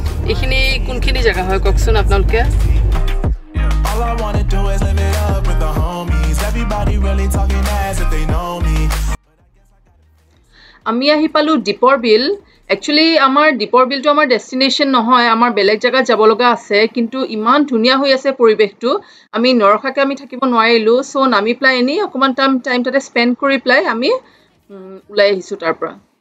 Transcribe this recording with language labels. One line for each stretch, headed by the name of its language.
Assamese: এইখিনি কোনখিনি জেগা হয় কওকচোন আপোনালোকে।
English: All I want to do is live it up with the homies, everybody really talking as if they know me,
Assamese: আমি আহি পালো দীপৰ বিল। একচুৱেলি আমাৰ দীপৰ বিলটো আমাৰ ডেষ্টিনেশ্যন নহয়, আমাৰ বেলেগ জেগাত যাব লগা আছে, কিন্তু ইমান ধুনীয়া হৈ আছে পৰিৱেশটো, আমি নৰখাকৈ আমি থাকিব নোৱাৰিলোঁ। ছ' নামি পেলাই এনেই অকণমান টাইম তাতে স্পেণ্ড কৰি পেলাই আমি ওলাই আহিছোঁ তাৰ পৰা।